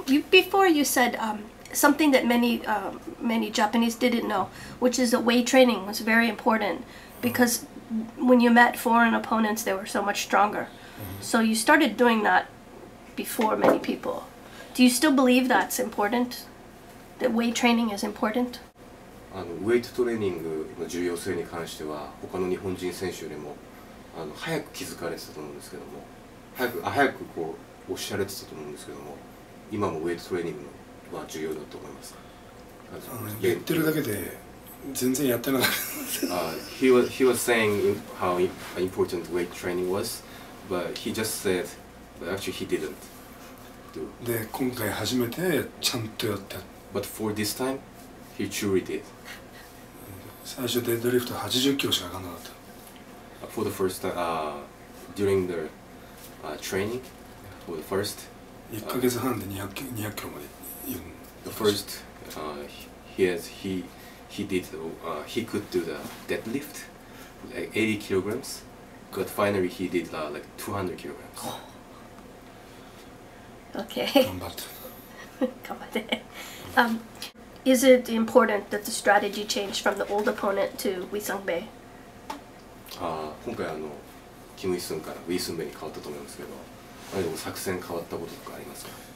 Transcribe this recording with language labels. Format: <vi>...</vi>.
<en>Before you said something that many Japanese didn't know, which is that weight training was very important because when you met foreign opponents, they were so much stronger. Mm-hmm. So you started doing that before many people. Do you still believe that's important? That weight training is important?</en> <ja>Weight training の重要性に関しては、他の日本人選手よりも早く気づかれてたと思うんですけども、早くこうおっしゃられてたと思うんですけども、今もウェイトトレーニングは重要だと思います。言ってるだけで全然やってなかった。</ja> <en>He was saying how important weight training was, but he just said, but actually he didn't do.</en> <ja>で今回初めてちゃんとやった。</ja> <en>But for this time, he truly did.</en> <ja>最初デッドリフト80キロしか上がんなかった。</ja> <en>For the first time, during the training, for the first.</en> <ja>一ヶ月半で200キロまで行く。</ja> <en>The first, he could do the deadlift, like 80 kilograms, but finally he did like 200 kilograms. Okay.</en> <ja>頑張った。頑張って。</ja> <en>Is it important that the strategy changed from the old opponent to Whi Seung-Bae?</en> <ja>ああ、今回あのキム・イスンからウィ・スンベイに変わったと思いますけど、あれでも作戦変わったこととかありますか？</ja>